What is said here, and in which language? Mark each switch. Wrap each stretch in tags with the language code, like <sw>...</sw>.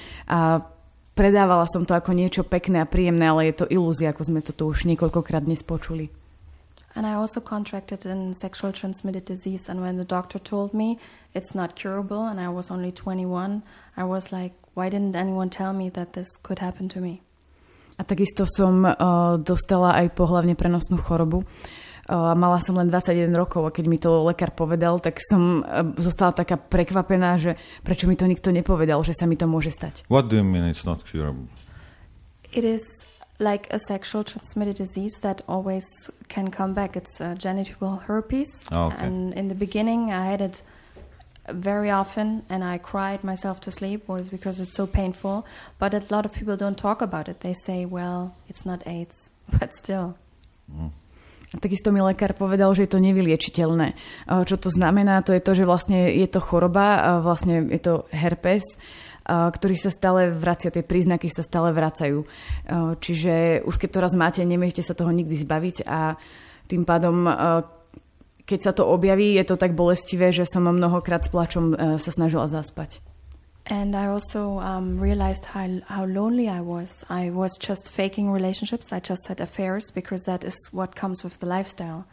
<sk>A predávala som to ako niečo pekné a príjemné, ale je to ilúzia, ako sme to tu už niekoľkokrát dnes počuli.</sk> <en>And I also contracted a sexual transmitted disease, and when the doctor told me it's not curable and I was only 21, I was like, why didn't anyone tell me that this could happen to me?</en> <sk>A takisto som dostala aj pohlavne prenosnú chorobu. Mala som len 21 rokov a keď mi to lekár povedal, tak som zostala taká prekvapená, že prečo mi to nikto nepovedal, že sa mi to môže stať.</sk> <en>What do you mean it's not curable? It is like a sexual transmitted disease that always can come back. It's a genital herpes. Okay. And in the beginning I had it very often and I cried myself to sleep because it's so painful. But a lot of people don't talk about it. They say, well, it's not AIDS, but still.</en> <sk>A takisto mi lekár povedal, že je to nevyliečiteľné. Čo to znamená, to je to, že vlastne je to choroba, vlastne je to herpes. ktorý sa stále vracia, tie príznaky sa stále vracajú. Čiže už keď to raz máte, nemiechte sa toho nikdy zbaviť a tým pádom, keď sa to objaví, je to tak bolestivé, že som mnohokrát s plačom sa snažila zaspať.</sk> <en>And I also realized how lonely I was. I was just faking relationships. I just had affairs because that is what comes with the lifestyle.</en>